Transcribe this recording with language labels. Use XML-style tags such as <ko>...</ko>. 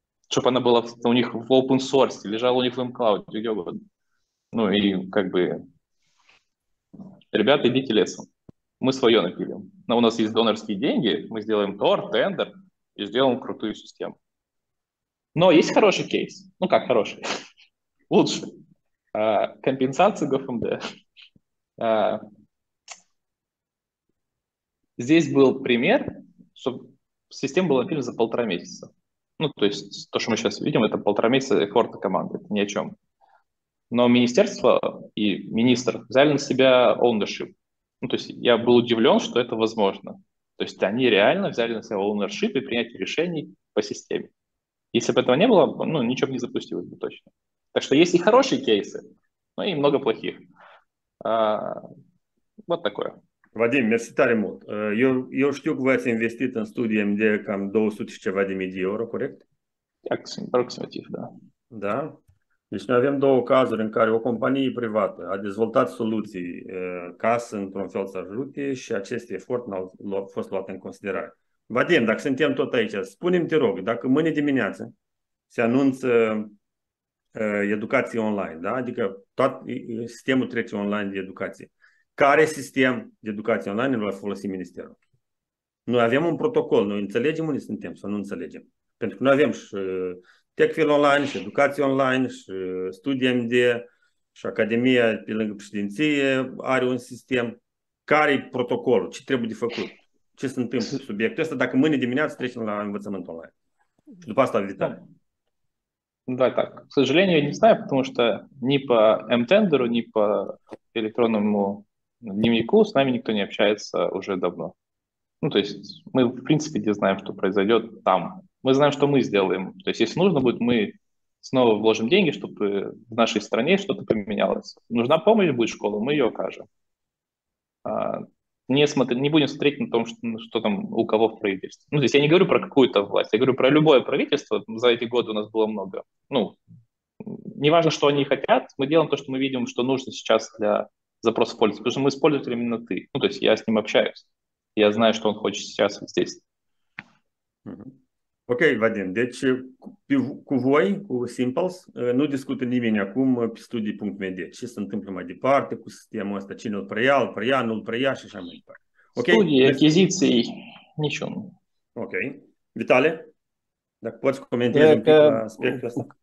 <ru>Чтобы она была у них в open source, лежала у них в mCloud, где угодно. Ну, и как бы, ребята, идите лесом. Мы свое напилим. Но у нас есть донорские деньги, мы сделаем Tor, тендер и сделаем крутую систему. Но есть хороший кейс. Ну как хороший? Лучше. Компенсация GoFundMe. Здесь был пример, что система была напилена за 1,5 месяца. Ну то есть то, что мы сейчас видим, это 1,5 месяца эфорта команды. Это ни о чем. Но министерство и министр взяли на себя ownership. Ну, то есть я был удивлен, что это возможно. То есть они реально взяли на себя ownership и принятие решений по системе. Если бы этого не было, ну, ничего бы не запустилось бы точно. Так что есть и хорошие кейсы, но и много плохих. Вот такое.</ru> <ro>Вадим, merci tare mult. Eu știu că v-ați investit în studie MD cam 200 ceva de mii de euro, corect? Aproximativ, da. Da? Deci noi avem două cazuri în care o companie privată a dezvoltat soluții ca să într-un fel să ajute și acest efort n-a fost luat în considerare. Vadim, dacă suntem tot aici, spune-mi, te rog, dacă mâine dimineață se anunță educație online, da? Adică tot sistemul trece online de educație, care sistem de educație online îl va folosi ministerul? Noi avem un protocol, noi înțelegem unde suntem sau nu înțelegem. Pentru că noi avem și Techfil online, și educație online, și studii MD, și Academia pe lângă președinție are un sistem. Care-i protocolul? Ce trebuie de făcut? Ce se întâmplă cu subiectul ăsta dacă mâine dimineață trecem la învățământ online? Și după asta vizitare.</ro> <ru>Da, так. К сожалению, я не знаю, потому что ни по M-тендеру, ни по электронному дневнику с нами никто не общается уже давно. Ну, то есть мы, в принципе, не знаем, что произойдет там. Мы знаем, что мы сделаем. То есть, если нужно будет, мы снова вложим деньги, чтобы в нашей стране что-то поменялось. Нужна помощь будет школа, мы ее окажем. Не будем смотреть на том, что там у кого в правительстве. Ну, здесь я не говорю про какую-то власть, я говорю про любое правительство. За эти годы у нас было много. Ну, не важно, что они хотят, мы делаем то, что мы видим, что нужно сейчас для запроса пользователя. Потому что мы с пользователем именно ты. Ну, то есть я с ним общаюсь. Я знаю, что он хочет сейчас здесь.</ru> <ro>Окей, Вадим, deci cu voi, cu Simples, nu discută nimeni acum pe studii.md. Ce se întâmplă mai departe cu sistemul ăsta, cine îl preia, îl preia, nu îl preia și așa mai departe. Okay. Studii, achiziții, niciun. Ok. Vitale, dacă poți comentezi un pic la aspectul ăsta.</ro>